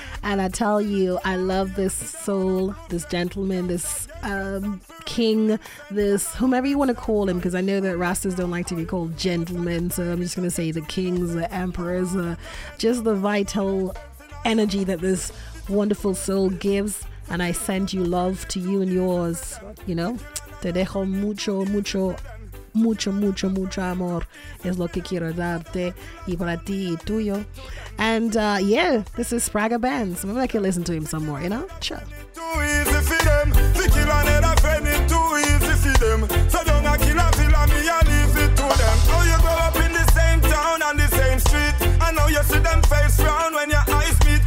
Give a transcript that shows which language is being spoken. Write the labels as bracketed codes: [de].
[en] And I tell you, I love this soul, this gentleman, this king, this whomever you want to call him, because I know that Rastas don't like to be called gentlemen. So I'm just going to say the kings, the emperors, just the vital energy that this wonderful soul gives. And I send you love to you and yours, you know. [es] Te dejo mucho, mucho. Mucho, mucho, mucho amor es lo que quiero darte y para ti y tuyo. [en] And yeah, this is Spraga Benz. Maybe I can listen to him some more, you know? Sure. Too easy for them. To kill another friend is too easy for them. So don't kill a villain, me, I leave it to them. Oh, you grow up in the same town and the same street. I know you see them face round when your eyes meet.